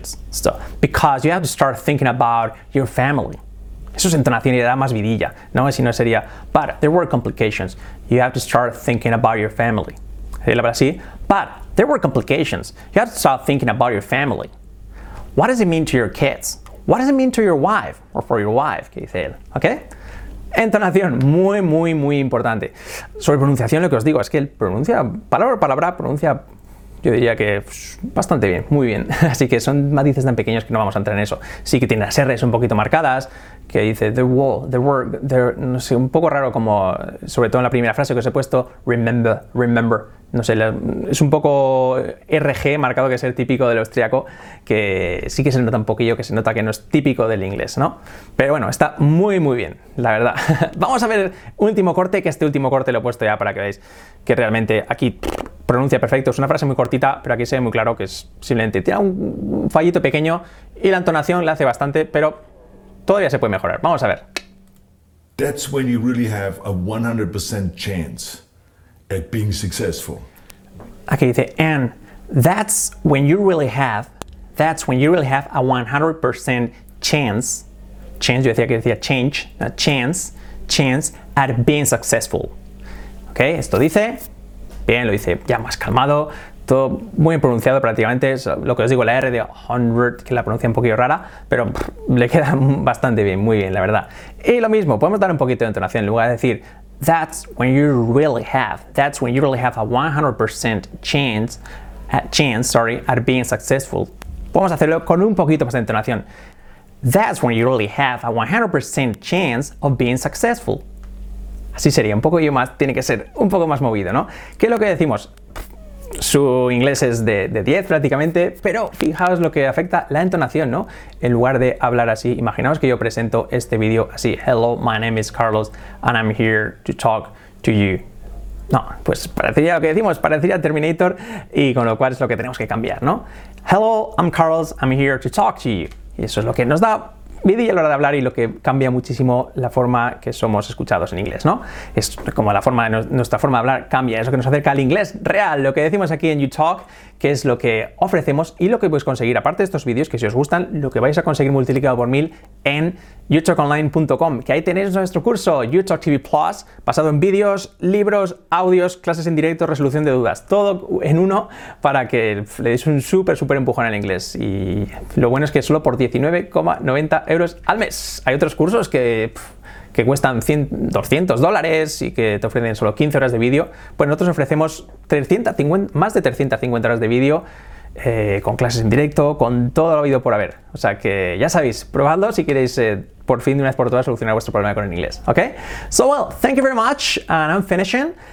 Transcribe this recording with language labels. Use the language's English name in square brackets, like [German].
[English] So, because you have to start thinking about your family. [Spanish] Eso es entonación y le da más vidilla, ¿no? Si no sería, [English] but there were complications. You have to start thinking about your family. [Spanish] Sería la palabra así, [English] but there were complications. You have to start thinking about your family. What does it mean to your kids? What does it mean to your wife or for your wife? [Spanish] ¿Qué dice él? ¿Okay? Entonación, muy, muy, muy importante. Sobre pronunciación, lo que os digo es que él pronuncia palabra por palabra, pronuncia, yo diría que bastante bien, muy bien. Así que son matices tan pequeños que no vamos a entrar en eso. Sí que tiene las R's un poquito marcadas, que dice [English] there were, [Spanish] no sé, un poco raro como, sobre todo en la primera frase que os he puesto, remember. No sé, es un poco RG marcado, que es el típico del austriaco, que sí que se nota un poquillo, que se nota que no es típico del inglés, ¿no? Pero bueno, está muy, muy bien, la verdad. Vamos a ver el último corte, que este último corte lo he puesto ya para que veáis que realmente aquí pronuncia perfecto. Es una frase muy cortita, pero aquí se ve muy claro que es simplemente tiene un fallito pequeño y la entonación la hace bastante, pero todavía se puede mejorar. Vamos a ver. [English] That's when you really have a 100% chance at being successful. Okay, and that's when you really have a 100% chance, [Spanish] yo decía que decía change, [English] chance at being successful. [Spanish] Okay, esto dice, bien, lo dice ya más calmado, todo muy pronunciado prácticamente, es lo que os digo, la R de 100, que la pronuncia un poquito rara, pero le queda bastante bien, muy bien, la verdad. Y lo mismo, podemos dar un poquito de entonación, en lugar de decir, [English] That's when you really have a 100% chance at being successful. [Spanish] Vamos a hacerlo con un poquito más de entonación. [English] That's when you really have a 100% chance of being successful. [Spanish] Así sería, un poco más, tiene que ser un poco más movido, ¿no? ¿Qué es lo que decimos? Su inglés es de 10 prácticamente, pero fijaos lo que afecta la entonación, ¿no? En lugar de hablar así, imaginaos que yo presento este vídeo así. [English] Hello, my name is Carlos and I'm here to talk to you. [Spanish] No, pues parecería lo que decimos, parecería Terminator, y con lo cual es lo que tenemos que cambiar, ¿no? [English] Hello, I'm Carlos, I'm here to talk to you. [Spanish] Y eso es lo que nos da vídeo a la hora de hablar y lo que cambia muchísimo la forma que somos escuchados en inglés, ¿no? Es como la forma, nuestra forma de hablar cambia, es lo que nos acerca al inglés real, lo que decimos aquí en YouTalk, que es lo que ofrecemos y lo que vais a conseguir, aparte de estos vídeos, que si os gustan, lo que vais a conseguir multiplicado por 1000 en youtalkonline.com, que ahí tenéis nuestro curso YouTalk TV Plus, basado en vídeos, libros, audios, clases en directo, resolución de dudas, todo en uno para que le deis un súper, súper empujón al inglés. Y lo bueno es que solo por 19,90 euros al mes. Hay otros cursos que cuestan 100, $200 y que te ofrecen solo 15 horas de vídeo. Pues nosotros ofrecemos más de 350 horas de vídeo con clases en directo, con todo lo habido por haber. O sea que ya sabéis, probadlo si queréis por fin de una vez por todas solucionar vuestro problema con el inglés. ¿Ok? [English] So well, thank you very much and I'm finishing.